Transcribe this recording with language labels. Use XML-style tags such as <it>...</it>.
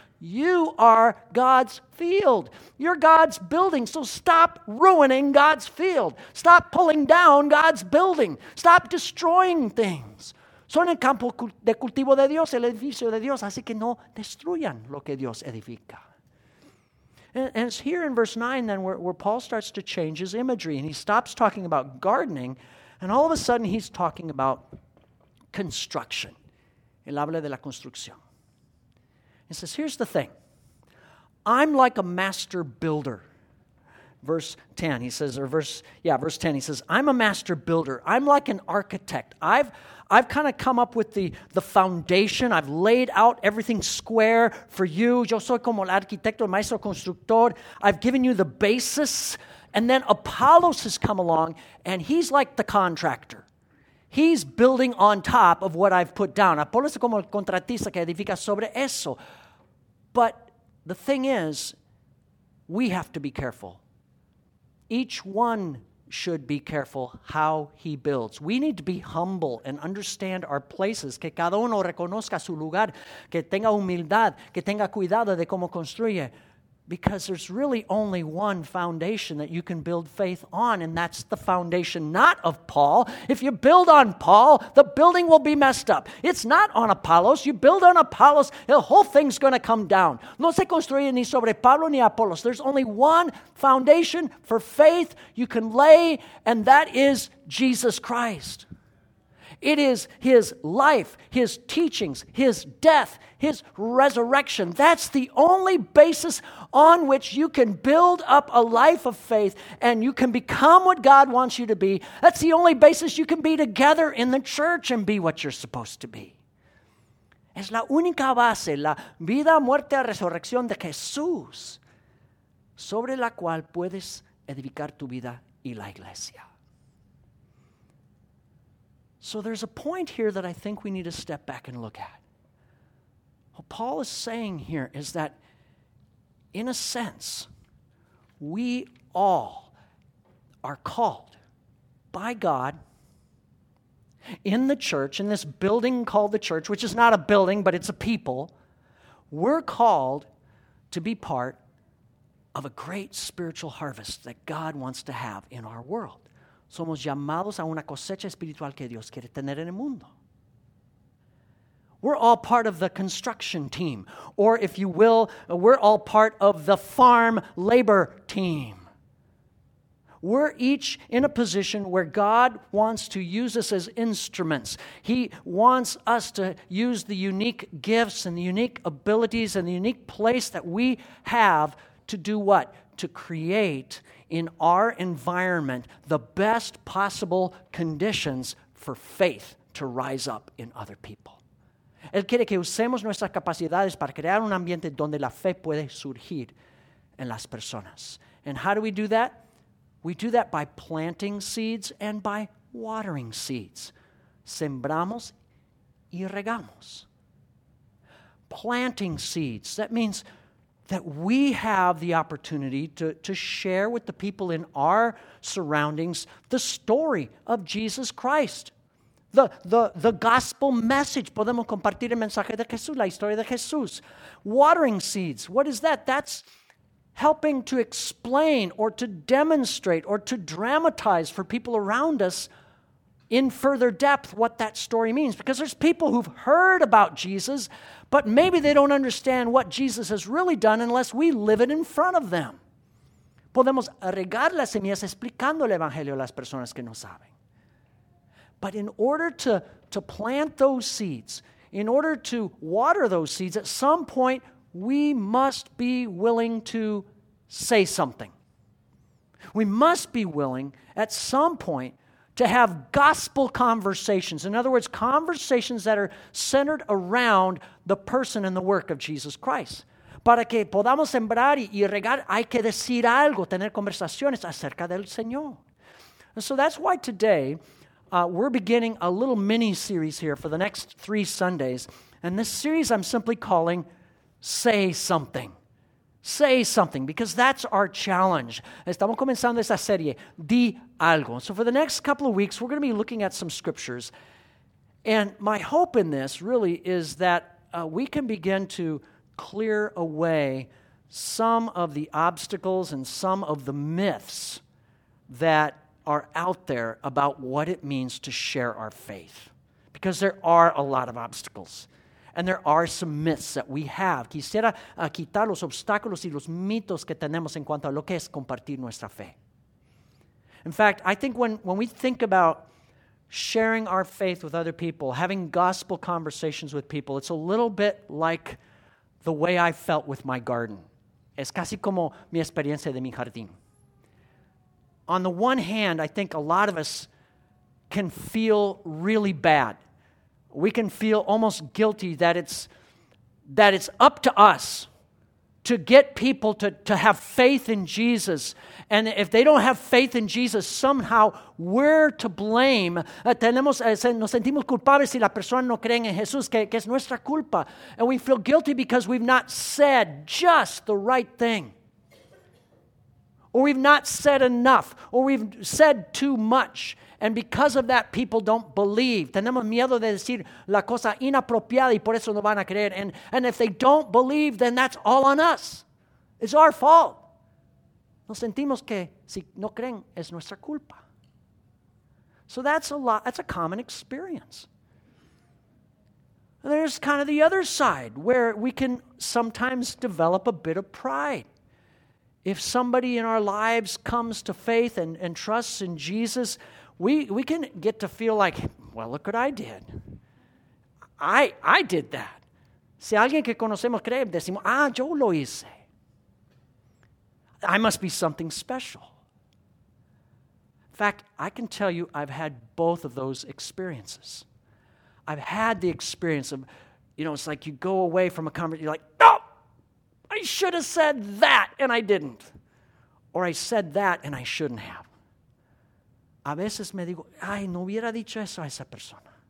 <en>You are God's field. You're God's building. So stop ruining God's field. Stop pulling down God's building. Stop destroying things.</en> <es>Son el campo de cultivo de Dios, el edificio de Dios. Así que no destruyan lo que Dios edifica.</es> <en>And it's here in verse 9 then where Paul starts to change his imagery. And he stops talking about gardening. And all of a sudden he's talking about construction.</en> <es>Él habla de la construcción.</es> <en>He says, here's the thing. I'm like a master builder. Verse 10, he says, I'm a master builder. I'm like an architect. I've kind of come up with the foundation. I've laid out everything square for you.</en> <es>Yo soy como el arquitecto, el maestro constructor.</es> <en>I've given you the basis. And then Apollos has come along, and he's like the contractor. He's building on top of what I've put down.</en> <es>Apollos es como el contratista que edifica sobre eso.</es> <en>But the thing is, we have to be careful. Each one should be careful how he builds. We need to be humble and understand our places.</en> <es>Que cada uno reconozca su lugar. Que tenga humildad. Que tenga cuidado de cómo construye.</es> <en>Because there's really only one foundation that you can build faith on, and that's the foundation not of Paul. If you build on Paul, the building will be messed up. It's not on Apollos. You build on Apollos, the whole thing's going to come down.</en> <es>No se construye ni sobre Pablo ni Apollos.</es> <en>There's only one foundation for faith you can lay, and that is Jesus Christ. It is his life, his teachings, his death, his resurrection. That's the only basis on which you can build up a life of faith and you can become what God wants you to be. That's the only basis you can be together in the church and be what you're supposed to be.</en> <es>Es la única base, la vida, muerte, resurrección de Jesús, sobre la cual puedes edificar tu vida y la iglesia.</es> <en>So there's a point here that I think we need to step back and look at. What Paul is saying here is that, in a sense, we all are called by God in the church, in this building called the church, which is not a building, but it's a people. We're called to be part of a great spiritual harvest that God wants to have in our world.</en> <es>Somos llamados a una cosecha espiritual que Dios quiere tener en el mundo.</es> <en>We're all part of the construction team. Or if you will, we're all part of the farm labor team. We're each in a position where God wants to use us as instruments. He wants us to use the unique gifts and the unique abilities and the unique place that we have to do what? To create in our environment the best possible conditions for faith to rise up in other people.</en> <es>Él quiere que usemos nuestras capacidades para crear un ambiente donde la fe puede surgir en las personas.</es> <en>And how do we do that? We do that by planting seeds and by watering seeds.</en> <es>Sembramos y regamos.</es> <en>Planting seeds, that means that we have the opportunity to share with the people in our surroundings the story of Jesus Christ. The gospel message.</en> <es>Podemos compartir el mensaje de Jesús, la historia de Jesús.</es> <en>Watering seeds. What is that? That's helping to explain or to demonstrate or to dramatize for people around us in further depth what that story means. Because there's people who've heard about Jesus, but maybe they don't understand what Jesus has really done unless we live it in front of them.</en> <es>Podemos regar las semillas explicando el evangelio a las personas que no saben.</es> <en>But in order to plant those seeds, in order to water those seeds, at some point we must be willing to say something. We must be willing at some point to have gospel conversations. In other words, conversations that are centered around the person and the work of Jesus Christ.</en> <es>Para que podamos sembrar y regar, hay que decir algo, tener conversaciones acerca del Señor.</es> <en>And so that's why today we're beginning a little mini-series here for the next 3 Sundays. And this series I'm simply calling Say Something. Say something, because that's our challenge.</en> <es>Estamos comenzando esta serie, Di Algo.</es> <en>So for the next couple of weeks, we're going to be looking at some scriptures. And my hope in this really is that we can begin to clear away some of the obstacles and some of the myths that are out there about what it means to share our faith. Because there are a lot of obstacles. And there are some myths that we have.</en> <es>Quisiera quitar los obstáculos y los mitos que tenemos en cuanto a lo que es compartir nuestra fe.</es> <en>In fact, I think when we think about sharing our faith with other people, having gospel conversations with people, it's a little bit like the way I felt with my garden.</en> <es>Es casi como mi experiencia de mi jardín.</es> <en>On the one hand, I think a lot of us can feel really bad. We can feel almost guilty that it's up to us to get people to have faith in Jesus. And if they don't have faith in Jesus, somehow we're to blame.</en> <es>Tenemos, nos sentimos culpables si la persona no cree en Jesús, que es nuestra culpa.</es> <en>And we feel guilty because we've not said just the right thing. or we've not said enough, or we've said too much, and because of that, people don't believe.</en> <es>Tenemos miedo de decir la cosa inapropiada y por eso no van a creer.</es> <en>And if they don't believe, then that's all on us. It's our fault.</en> <es>Nos sentimos que si no creen, es nuestra culpa.</es> <en>So that's a lot, that's a common experience. And there's kind of the other side where we can sometimes develop a bit of pride. If somebody in our lives comes to faith and trusts in Jesus, we can get to feel like, well, look what I did. I did that.</en> <es>Si alguien que conocemos cree, decimos, ah, yo lo hice.</es> <en>I must be something special. In fact, I can tell you I've had both of those experiences. I've had the experience of, you know, it's like you go away from a conversation, you're like, oh, I should have said that and I didn't. Or I said that and I shouldn't have.</en> <es>A veces me digo, ay, no hubiera dicho eso a esa persona.</es>